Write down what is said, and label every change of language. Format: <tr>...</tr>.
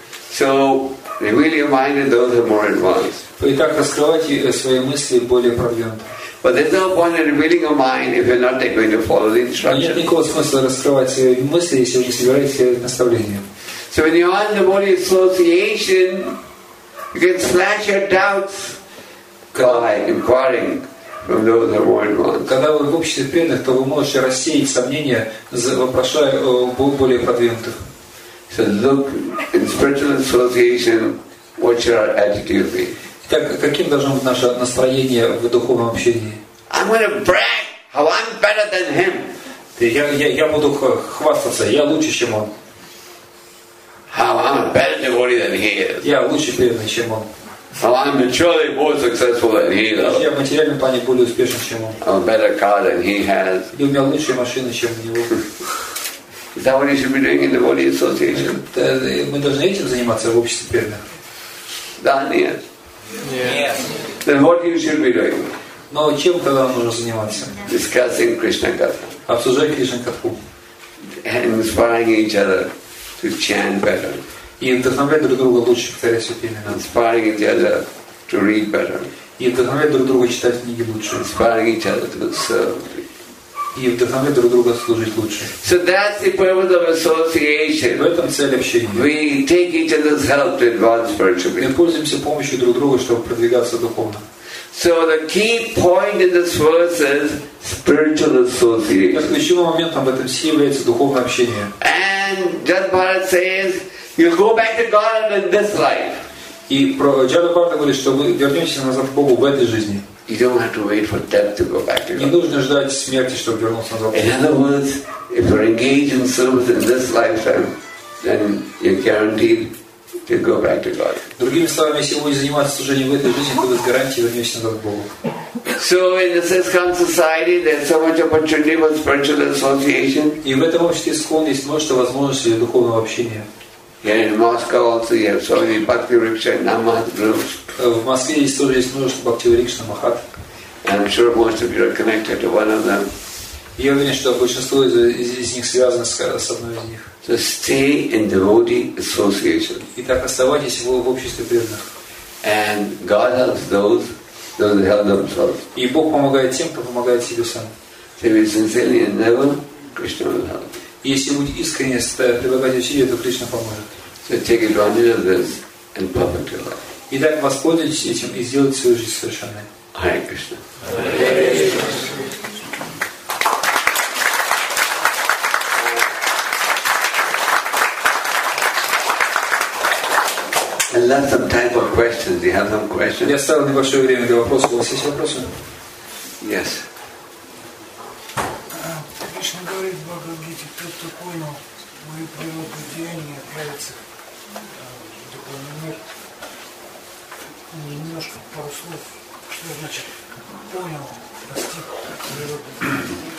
<en>So reveal your mind to those who are more advanced.</en> <ru>Итак, раскрывайте свои мысли более продвинуто.</ru> <en>But there's no point in revealing your mind if you're not going to follow the instructions.</en> <ru>Нет никакого смысла раскрывать свои мысли, если вы не собираетесь следовать наставлениям.</ru> <en>So when you are in the body association, you can slash your doubts by inquiring from those who are more advanced.</en> <ru>Когда вы в обществе преданных, то вы можете рассеять сомнения, вопрошая более продвинутых.</ru> <en>So look in spiritual association, what should our attitude be?</en> <ru>Так, каким должно быть наше настроение в духовном общении?</ru> <en>I'm gonna brag how I'm better than him.</en> <ru>Я буду хвастаться, я лучше, чем он.</ru> <en>How I'm a better devotee than he is.</en> <ru>Я лучше преданный, чем он.</ru> <en>How I'm materially more successful than he is.</en> <ru>Я в материальном плане более успешен, чем он.</ru> <en>I'm a better car than he has.</en> <ru>И у меня лучшая машина, чем у него.</ru> <en>Is that what you should be doing in the devotee association?</en> <ru>Мы должны этим заниматься в обществе преданных. Да, нет.</ru> <en>Yes. Then what you should be doing?</en> <ru>Но чем тогда нужно заниматься?</ru> <en>Discussing Krishna Katha.</en> <ru>Обсуждать Кришна Катху.</ru> <en>And inspiring each other to chant better.</en> <ru>И вдохновлять друг друга лучше повторять святые имена.</ru> <en>Inspiring each other to read better.</en> <ru>И вдохновлять друг друга читать книги лучше.</ru> <en>Inspiring each other to serve.</en> <ru>И вдохновлять друг друга служить лучше.</ru> <en>So that's the purpose of association.</en> <ru>В этом цель общения.</ru> <en>We take each other's help to advance spiritually.</en> <ru>Мы пользуемся помощью друг друга, чтобы продвигаться духовно.</ru> <en>So the key point in this verse is spiritual association.</en> <ru>Так ключевым моментом в этом стихе является духовное общение.</ru> <en>And Jada Bharat says, you'll go back to God in this life.</en> <ru>И Джада Бхарата говорит, что мы вернемся назад к Богу в этой жизни.</ru> <en>You don't have to wait for death to go back to God.</en> <ru>Не нужно ждать смерти, чтобы вернуться назад.</ru> <en>In other words, if you're engaged in service in this lifetime, then you're guaranteed to go back to God.</en> <ru>Другими словами, если вы занимаетесь служением в этой жизни, то вы гарантии вернётесь назад к Богу.</ru> <en>So in the Sescon society, there's so much opportunity for spiritual association.</en> <ru>И в этом обществе Сескон есть множество возможностей для духовного общения.</ru> <en>Yeah, in Moscow also you have so many Bhakti Riksha Namahat groups.</en> <ru>В Москве есть тоже есть множество Bhakti Riksha Namahat.</ru> <en>And I'm sure most of you are connected to one of them.</en> <ru>Я уверен, что большинство из них связано с одной из них.</ru> <en>So stay in devotee association.</en> <ru>Итак, оставайтесь в обществе преданных.</ru> <en>And God helps those who help themselves.</en> <ru>И Бог помогает тем, кто помогает себе сам.</ru> <en>If you sincerely endeavor, Krishna will help.</en> <ru>Если вы искренне прилагаете усилия, то Кришна поможет.</ru> <en>So take advantage of this and perfect your life.</en> <ru>Итак, воспользуйтесь этим и сделайте свою жизнь совершенной.</ru> <en>Hare Krishna. I left some time for questions. Do you have some questions?</en> <ru>Я оставил небольшое время для вопросов. У вас есть вопросы?</ru> <en>Yes.</en> <ru>Кришна говорит в Бхагавад-гите, тот, кто понял мою природу деяния, отправится в духовный мир. Немножко, пару слов. Что значит понял, достиг природы деяния?</ru>